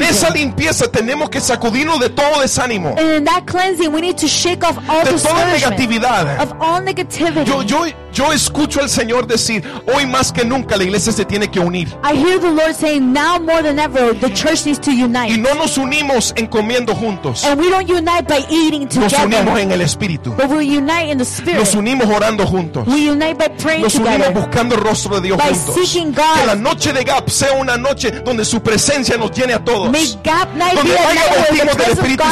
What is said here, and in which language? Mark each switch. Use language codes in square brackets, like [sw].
[es] Y en esa limpieza tenemos que sacudirnos de todo desánimo. [en] And in that cleansing, we need to shake off all [es] de toda negatividad. [en] Of all negativity. [es] Yo Yo escucho al Señor decir, hoy más que nunca la iglesia se tiene que unir. [en] I hear the Lord saying, now more than ever, the church needs to unite. [es] Y no nos unimos en comiendo juntos. [en] And we don't unite by eating together. [es] Nos unimos en el Espíritu. [en] But we unite in the Spirit. [es] Nos unimos orando juntos. [en] We unite by praying together. [es] Nos unimos buscando el rostro de Dios [en] by [es] juntos. [en] By seeking God. [es] Que la noche de Gap sea una noche donde su presencia nos llene a todos. [en] May Gap night be a night where the presence of God